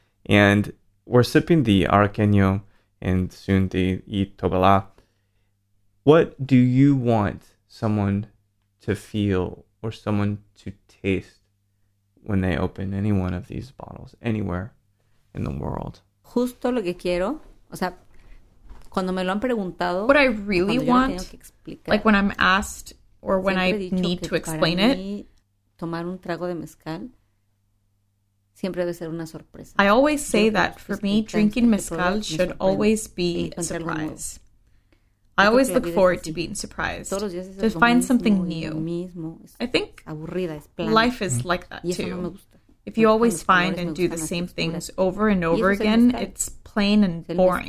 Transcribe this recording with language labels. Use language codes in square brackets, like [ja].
[en] And we're sipping the Araqueño and soon the Y Tobalá. What do you want someone to feel or someone to taste when they open any one of these bottles anywhere in the world? [es] Justo lo que quiero, o sea, cuando me lo han preguntado, [en] what I really want, like when I'm asked or when I need to explain it, [es] tomar un trago de mezcal siempre debe ser una sorpresa. [en] I always say that for me, drinking mezcal should always be a surprise. I always look forward to being surprised, to find something new. I think life is like that too. If you always find and do the same things over and over again, it's plain and boring.